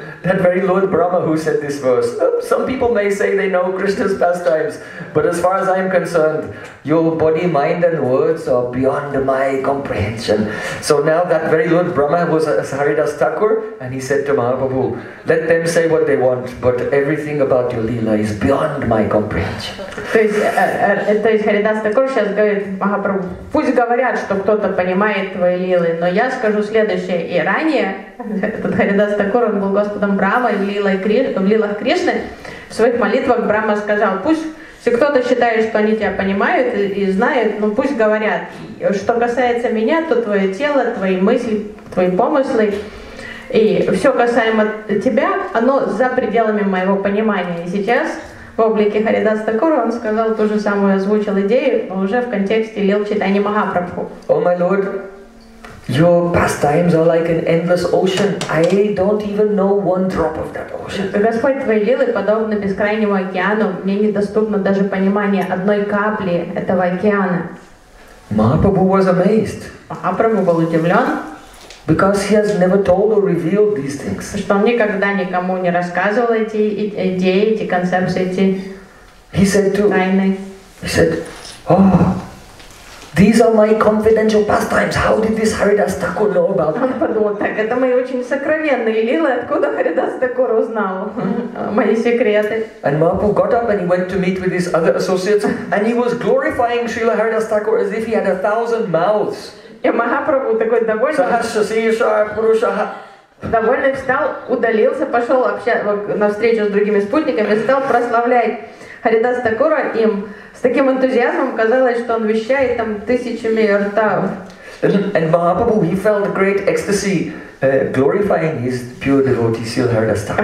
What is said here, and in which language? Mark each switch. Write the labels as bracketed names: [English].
[English] That very Lord Brahma who said this verse. Some people may say they know Krishna's pastimes, but as far as I am concerned, your body, mind and words are beyond my comprehension. So now that very Lord Brahma was as Haridas Thakur, and he said to Mahaprabhu, let them say what they want, but everything about your lila is beyond my comprehension. [Russian] То есть Haridas Thakur сейчас говорит Махапрабху, пусть говорят, что кто-то понимает твои лилы, но я скажу следующее, и ранее, этот Харидас Такур, он был Господом Брама в лилах Кришны. В своих молитвах Брама сказал, пусть все кто-то считает, что они тебя понимают и знают, но пусть говорят, что касается меня, то твое тело, твои мысли, твои помыслы и все касаемо тебя, оно за пределами моего понимания. И сейчас в облике Харидас Такур он сказал ту же самую, озвучил идею, но уже в контексте лил читания Махапрабху. О, мой лорд, [English] Your pastimes are like an endless ocean. I don't even know one drop of that ocean. [Russian] Господь, твои дела подобны бескрайнему океану. Мне недоступно даже понимание одной капли этого океана. [English] Mahaprabhu was amazed. [Russian] Mahaprabhu был удивлен. [English] Because he has never told or revealed these things. [Russian] Что он никогда никому не рассказывал эти идеи, эти концепции, эти тайны. [English] He said, oh, these are my confidential pastimes. How did this Haridas Thakur know about them? [Russian] Он подумал, так это мои очень сокровенные лилы, откуда Haridas Thakur узнал мои секреты. [English] And Mahaprabhu got up and he went to meet with his other associates and he was glorifying Srila Haridas Thakur as if he had 1,000 mouths. [Russian] И Махапрабху такой довольный встал, удалился, пошел на встречу с другими спутниками, стал прославлять Haridas Thakura им с таким энтузиазмом, казалось, что он вещает там тысячами ртов. [English] And Mahaprabhu, he felt great ecstasy glorifying his pure devotee Srila Haridas Thakura.